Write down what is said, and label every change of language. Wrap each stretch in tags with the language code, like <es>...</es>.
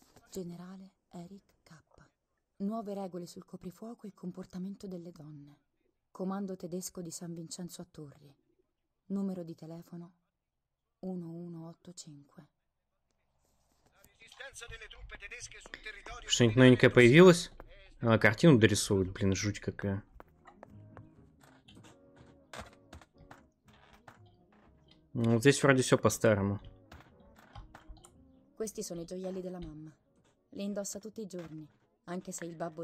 <it>Generale Eric K. Nuove regole sul coprifuoco e comportamento delle donne. Comando tedesco di San Vincenzo a Torri. Numero di telefono 1185. La resistenza delle truppe tedesche sul territorio.</it> <ru>Что-нибудь новенькое появилось? А картину дорисовывают, блин, жуть какая. Ну, здесь вроде все по-старому.</ru> <it>Questi sono i gioielli della mamma. Li indossa tutti i giorni, anche se il babbo</it>